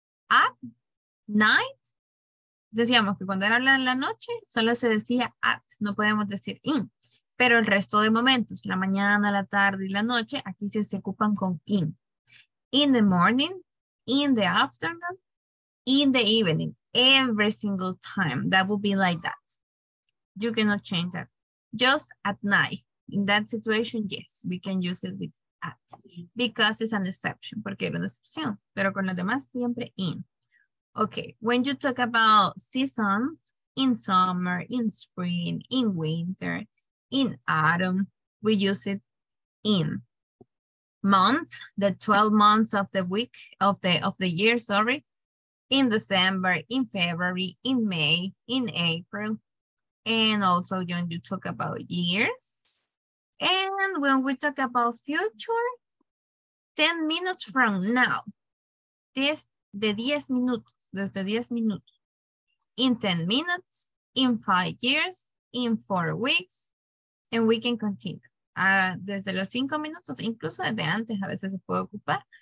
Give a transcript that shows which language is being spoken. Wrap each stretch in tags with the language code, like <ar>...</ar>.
<en>At night,</en> <es>decíamos que cuando era la noche, solo se decía at, no podemos decir in. Pero el resto de momentos, la mañana, la tarde y la noche, aquí se ocupan con in.</es> <en>In the morning, in the afternoon, in the evening, every single time. That would be like that. You cannot change that. Just at night. In that situation, yes, we can use it with at. Because it's an exception.</en> <es>Porque era una excepción. Pero con los demás, siempre in.</es> <en>Okay, when you talk about seasons, in summer, in spring, in winter, in autumn, we use it in. Months, the 12 months of the week, of the year, sorry. In December, in February, in May, in April. And also when you talk about years. And when we talk about future, 10 minutes from now. This, the 10 minutos,</en> <es>desde 10 minutos.</es> <en>In 10 minutes, in 5 years, in 4 weeks, and we can continue.</en> <es>Desde los 5 minutos, incluso desde antes, a veces se puede ocupar.</es>